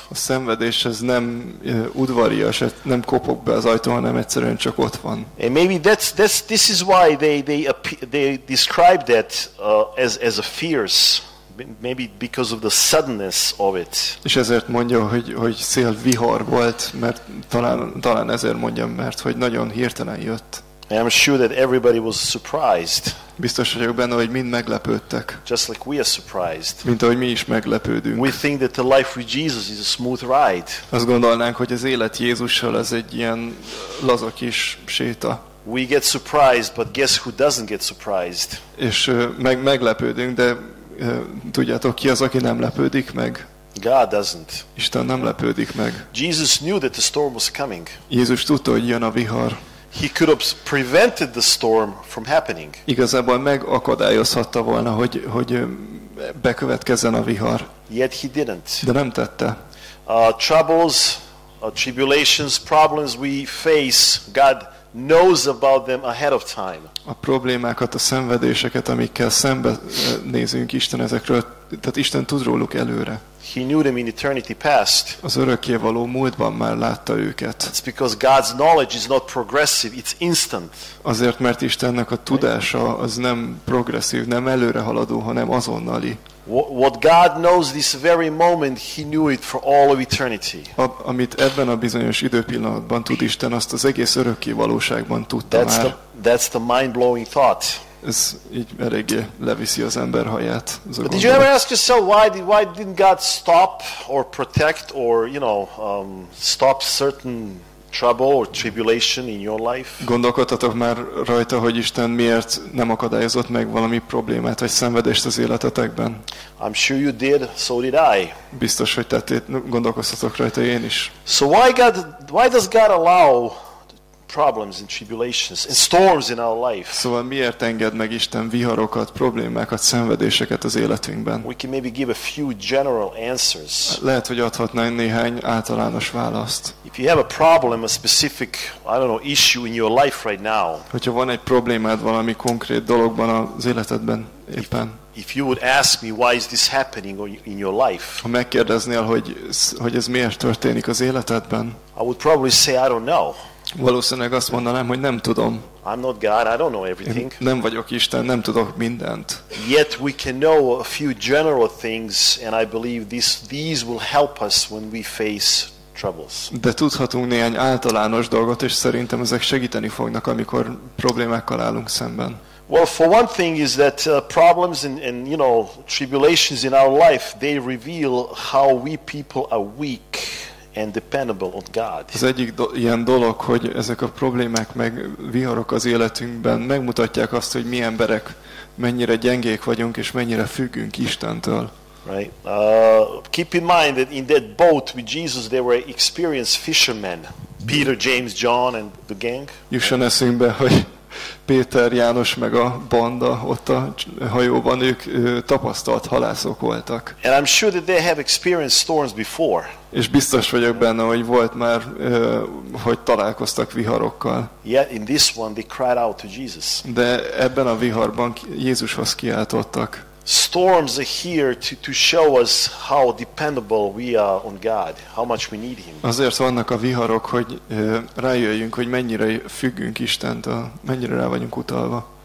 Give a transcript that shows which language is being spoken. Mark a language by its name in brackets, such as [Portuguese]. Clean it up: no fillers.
[Hungarian] A szenvedés ez nem udvarias, nem kopog be az ajtó, hanem egyszerűen csak ott van. [English] And maybe this is why they describe that as a fierce, maybe because of the suddenness of it. [Hungarian] És ezért mondja, hogy szél vihar volt, mert talán ezért mondja, mert hogy nagyon hirtelen jött. [English] I'm sure that everybody was surprised. [Hungarian] Biztos vagyok benne, hogy mind meglepődtek. [English] Just like we are surprised. [Hungarian] Mint ahogy mi is meglepődünk. [English] We think that the life with Jesus is a smooth ride. [Hungarian] Azt gondolnánk, hogy az élet Jézussal ez egy ilyen laza kis séta. [English] We get surprised, but guess who doesn't get surprised? [Hungarian] És meglepődünk, de tudjátok ki az, aki nem lepődik meg? [English] God doesn't. [Hungarian] Isten nem lepődik meg. [English] Jesus knew that the storm was coming. [Hungarian] Jézus tudta, hogy jön a vihar. [English] He could have prevented the storm from happening. [Hungarian] Igazából megakadályozhatta volna, hogy bekövetkezzen a vihar. [English] Yet he didn't. [Hungarian] De nem tette. [English] Troubles, tribulations, problems we face, God knows about them ahead of time. [Hungarian] A problémákat, a szenvedéseket, amikkel szembe nézünk Isten ezekről, tehát Isten tud róluk előre. [English] He knew them in eternity past. [Hungarian] Az örökké való múltban már látta őket. [English] It's because God's knowledge is not progressive, it's instant. [Hungarian] Azért, mert Istennek a tudása az nem progresszív, nem előre haladó, hanem azonnali. [English] What God knows this very moment, he knew it for all of eternity. [Hungarian] Amit ebben a bizonyos időpillanatban tud Isten, azt az egész örökké valóságban tudta [English] that's [Hungarian] már. [English] That's the mind-blowing thought. [Hungarian] Ez így eléggé leviszi az ember haját. Az [English] a did you ever ask yourself why didn't God stop or protect or you know stop certain trouble or tribulation in your life? [Hungarian] Gondolkodtatok már rajta, hogy Isten miért nem akadályozott meg valami problémát vagy szenvedést az életetekben? [English] I'm sure you did, so did I. [Hungarian] Biztos, hogy tettét, gondolkoztatok rajta én is. [English] So why does God allow problems and tribulations and storms in our life. [Hungarian] Szóval miért enged meg Isten viharokat, problémákat, szenvedéseket az életünkben? [English] We can maybe give a few general answers. [Hungarian] Lehet, hogy adhatnánk néhány általános választ. [English] If you have a problem, a specific, I don't know, issue in your life right now. [Hungarian] Hogyha van egy problémád valami konkrét dologban az életedben éppen. [English] If you would ask me why is this happening in your life? [Hungarian] Ha megkérdeznél, hogy ez miért történik az életedben? [English] I would probably say I don't know. [Hungarian] Valószínűleg azt mondanám, hogy nem tudom. [English] I'm not God, I don't know everything. [Hungarian] Nem vagyok Isten, nem tudok mindent. [English] Yet we can know a few general things, and I believe these will help us when we face troubles. [Hungarian] De tudhatunk néhány általános dolgot, és szerintem ezek segíteni fognak, amikor problémákkal állunk szemben. [English] Well, for one thing is that problems and you know tribulations in our life, they reveal how we people are weak. And dependable on God. [Hungarian] Az egyik ilyen dolog, hogy ezek a problémák meg viharok az életünkben megmutatják azt, hogy mi emberek mennyire gyengék vagyunk és mennyire függünk Istentől. [English] Right. Keep in mind that in that boat with Jesus there were experienced fishermen, Peter, James, John and the gang. [Hungarian] Jusson eszünkbe, hogy Péter, János meg a banda ott a hajóban ők tapasztalt halászok voltak. [English] And I'm sure that they have experienced storms before. [Hungarian] És biztos vagyok benne, hogy volt már, hogy találkoztak viharokkal. [English] Yet in this one they cried out to Jesus. [Hungarian] De ebben a viharban Jézushoz kiáltottak. [English] Storms are here to show us how dependable we are on God, how much we need him. [Hungarian] Azért vannak a viharok, hogy rájöjjünk, hogy mennyire függünk Istentől, mennyire rá vagyunk utalva.